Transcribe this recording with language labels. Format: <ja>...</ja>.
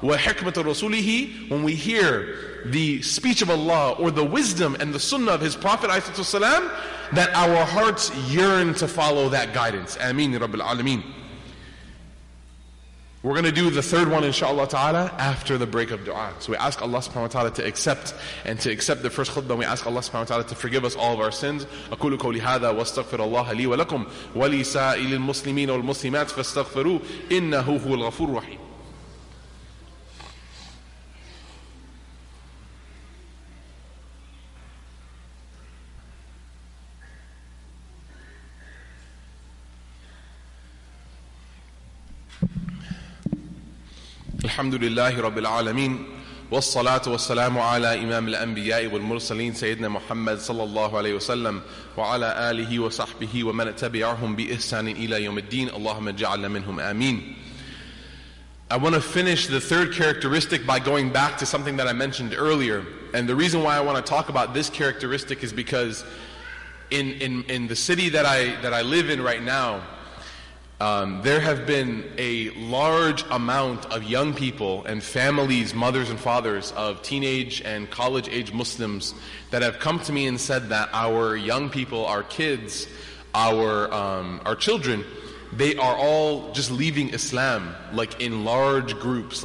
<ar>وَحِكْمَةُ رَسُولِهِ</ar> <en>When we hear the speech of Allah or the wisdom and the sunnah of His Prophet والسلام, that our hearts yearn to follow that guidance. Ameen, Rabbil Alameen. We're going to do the third one, inshaAllah ta'ala, after the break of dua. So we ask Allah subhanahu wa ta'ala to accept and to accept the first khutbah. We ask Allah subhanahu wa ta'ala to forgive us all of our sins.</en> <ar>أَقُولُ كَوْلِ هَذَا وَاسْتَغْفِرَ اللَّهَ لِي وَلَكُمْ وَلِسَائِلِ الْمُسْلِمِينَ وَالْمُسْلِمَاتِ فَاسْتَغْفِرُوا إِنَّهُ هُوَ الْغَفُورُ الرَّحِيمُ الحمد لله رب العالمين والصلاة والسلام على إمام الأنبياء والمرسلين سيدنا محمد صلى الله عليه وسلم وعلى آله وصحبه ومن تبعهم بإحسان إلى يوم الدين اللهم اجعلنا منهم آمين.</ar> <en>I want to finish the third characteristic by going back to something that I mentioned earlier, and the reason why I want to talk about this characteristic is because in the city that I live in right now, there have been a large amount of young people and families, mothers and fathers of teenage and college age Muslims that have come to me and said that our young people, our kids, our children, they are all just leaving Islam, like in large groups.</en>